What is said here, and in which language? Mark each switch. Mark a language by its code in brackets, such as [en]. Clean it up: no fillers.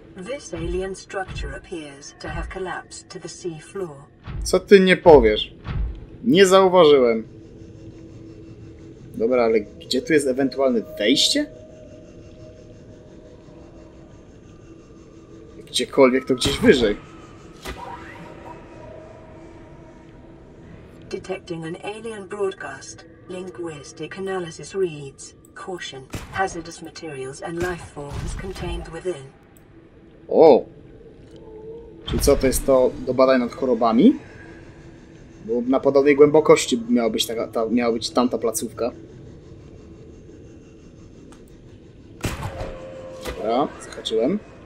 [en] This alien structure appears to have collapsed to the sea floor. [pl] Co ty nie powiesz? Nie zauważyłem. Dobra, ale gdzie tu jest ewentualne wejście? Gdziekolwiek, to gdzieś wyżej. [en] Detecting an alien broadcast. Linguistic analysis reads: caution, hazardous materials and life forms contained within. O! [pl] Czy co to jest to do badań nad chorobami? Bo na podobnej głębokości miała być taka, ta, miała być tamta placówka. Dobra, zahaczyłem.